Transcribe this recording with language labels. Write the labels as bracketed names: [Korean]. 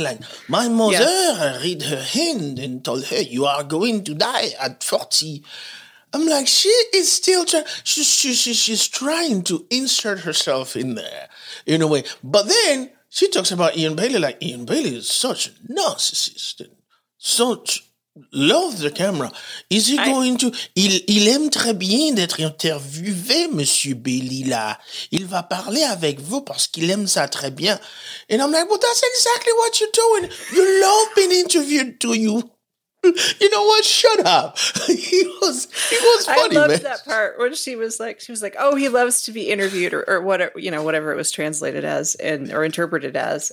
[English] Like, my mother read her hand and told her, you are going to die at 40. I'm like, she is still trying. She's trying to insert herself in there in a way. But then she talks about Ian Bailey like Ian Bailey is such a narcissist and such love the camera. Is he going to... [French] Il aime très bien d'être interviewé, Monsieur Bailey, là. Il va parler avec vous parce qu'il aime ça très bien. [English] And I'm like, well, that's exactly what you're doing. You love being interviewed, do you? You know what? Shut up. He was funny, I loved man. That part when she was like, oh, he loves to be interviewed or whatever, you know, whatever it was translated as and or interpreted as.